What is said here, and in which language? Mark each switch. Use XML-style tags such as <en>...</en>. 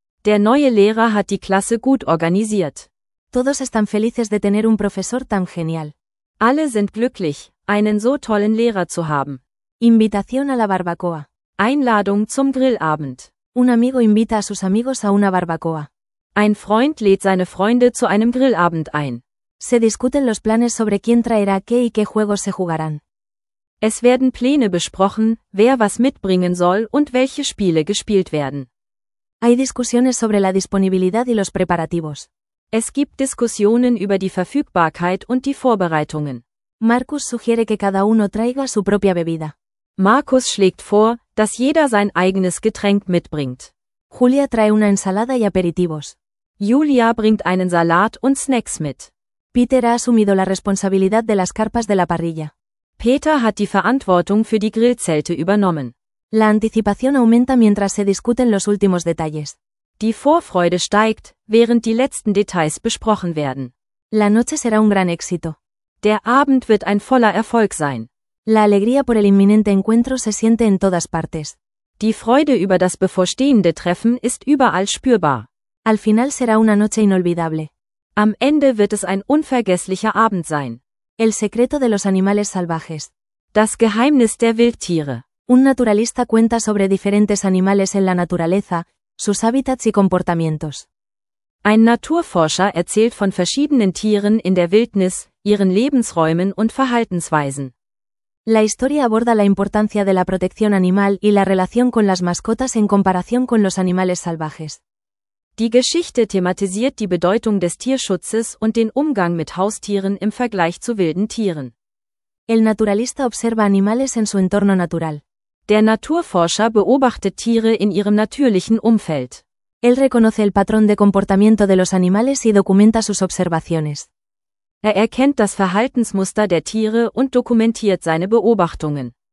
<de>Der neue Lehrer hat die Klasse gut organisiert.</de> <es>Todos están felices de tener un profesor tan genial.</es> <de>Alle sind glücklich, einen so tollen Lehrer zu haben.</de> <es>Invitación a la barbacoa.</es> <de>Einladung zum Grillabend.</de> <es>Un amigo invita a sus amigos a una barbacoa.</es> <de>Ein Freund lädt seine Freunde zu einem Grillabend ein.</de> <es>Se discuten los planes sobre quién traerá qué y qué juegos se jugarán.</es> <de>Es werden Pläne besprochen, wer was mitbringen soll und welche Spiele gespielt werden.</de> <es>Hay discusiones sobre la disponibilidad y los preparativos.</es> <de>Es gibt Diskussionen über die Verfügbarkeit und die Vorbereitungen.</de> <es>Marcus sugiere que cada uno traiga su propia bebida.</es> <de>Marcus schlägt vor, dass jeder sein eigenes Getränk mitbringt.</de> <es>Julia trae una ensalada y aperitivos.</es> <de>Julia bringt einen Salat und Snacks mit.</de> <es>Peter ha asumido la responsabilidad de las carpas de la parrilla.</es> <de>Peter hat die Verantwortung für die Grillzelte übernommen.</de> <es>La anticipación aumenta mientras se discuten los últimos detalles.</es> <de>Die Vorfreude steigt, während die letzten Details besprochen werden.</de> <es>La noche será un gran éxito.</es> <de>Der Abend wird ein voller Erfolg sein.</de> <es>La alegría por el inminente encuentro se siente en todas partes.</es> <de>Die Freude über das bevorstehende Treffen ist überall spürbar.</de> <es>Al final será una noche inolvidable.</es> <de>Am Ende wird es ein unvergesslicher Abend sein.</de> <es>El secreto de los animales salvajes.</es> <de>Das Geheimnis der Wildtiere.</de> <es>Un naturalista cuenta sobre diferentes animales en la naturaleza, sus hábitats y comportamientos.</es> <de>Ein Naturforscher erzählt von verschiedenen Tieren in der Wildnis, ihren Lebensräumen und Verhaltensweisen.</de> <es>La historia aborda la importancia de la protección animal y la relación con las mascotas en comparación con los animales salvajes.</es> <de>Die Geschichte thematisiert die Bedeutung des Tierschutzes und den Umgang mit Haustieren im Vergleich zu wilden Tieren.</de> <es>El naturalista observa animales en su entorno natural.</es> <de>Der Naturforscher beobachtet Tiere in ihrem natürlichen Umfeld.</de> <es>Él reconoce el patrón de comportamiento de los animales y documenta sus observaciones.</es> <de>Er erkennt das Verhaltensmuster der Tiere und dokumentiert seine Beobachtungen.</de>